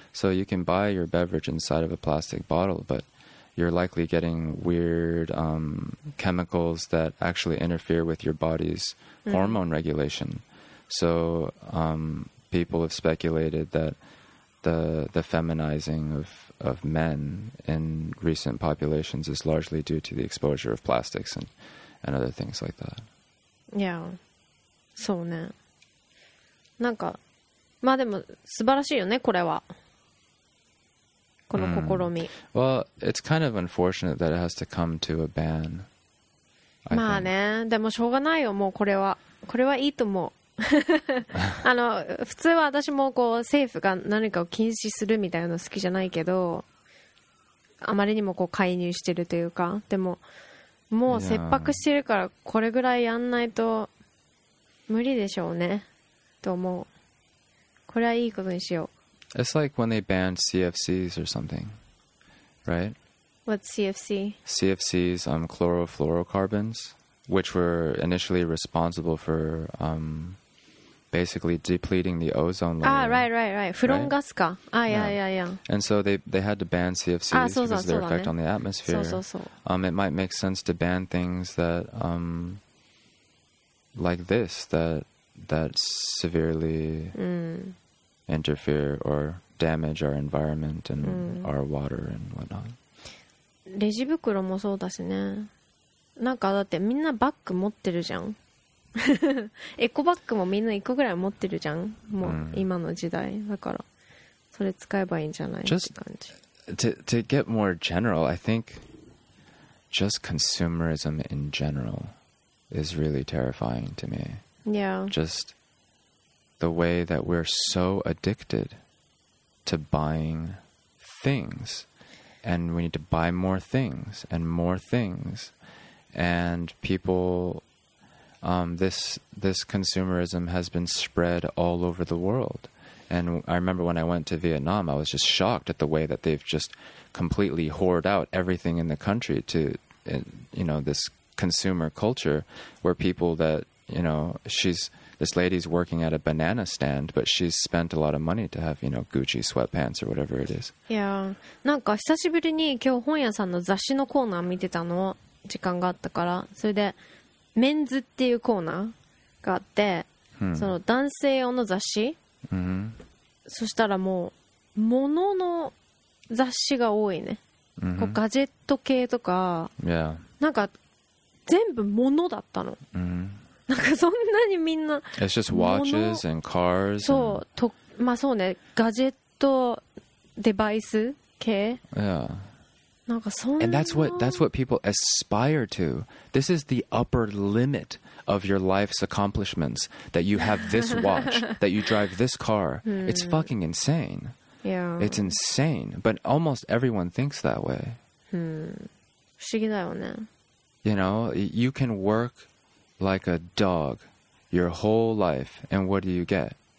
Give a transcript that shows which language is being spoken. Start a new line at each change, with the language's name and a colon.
English: So you can buy your beverage inside of a plastic bottle, but you're likely getting weird chemicals that actually interfere with your body's hormone regulation. So people have speculated that the feminizing of men in recent populations is largely due to the exposure of plastics and other things like that.
Japanese: Yeah. そうね。なんか、まあでも素晴らしいよね、これは。この試み。Mm.
English: Well, it's kind of unfortunate that it has to come to a ban.
Japanese: まあね、でもしょうがないよ、もうこれは。これはいいと思う。普通は私もこう政府が何かを禁止するみたいなの好きじゃないけど、あまりにもこう介入してるというか、でももう切迫してるからこれぐらいやんないと無理でしょうねと思う。これはいいことにしよう。
English: It's like when they banned CFCs or something, right? What's CFC? CFCs, chlorofluorocarbons, which were initially responsible for basically depleting the ozone layer. Ah, right.
Japanese: Furon gas ka.
English: Ah, yeah. And so they had to ban CFCs because of their effect on the atmosphere. So. It might make sense to ban things that like this, that severely interfere or damage our environment and our water and whatnot.
Japanese: レジ袋もそうだしね。なんかだってみんなバッグ持ってるじゃん。エコバッグもみんな1個ぐらい持ってるじゃん。もう今の時代だからそれ使えばいいんじゃないって感じ。
English: To get more general, I think just consumerism in general is really terrifying to me. Yeah. Just the way that we're so addicted to buying things, and we need to buy more things and more things. And people, this consumerism has been spread all over the world. And I remember when I went to Vietnam, I was just shocked at the way that they've just completely hoarded out everything in the country to, you know, this consumer culture where people that, you know, this lady's working at a banana stand, but she's spent a lot of money to have, you know, Gucci sweatpants or whatever it is. Yeah.
Japanese: なんか久しぶりに今日本屋さんの雑誌のコーナー見てたの。時間があったから、それでメンズっていうコーナーがあって、その男性用の雑誌、そしたらもう物の雑誌が多いね、こうガジェット系とか、なんか全部物だったの、なんかそんなにみんな、
English: It's just watches and cars,
Japanese: そうと、まあそうね、ガジェットデバイス系、
English: And that's what people aspire to. This is the upper limit of your life's accomplishments, that you have this watch, that you drive this car. It's fucking insane. Yeah. It's insane. But almost everyone thinks that way. You know, you can work like a dog your whole life, and what do you get?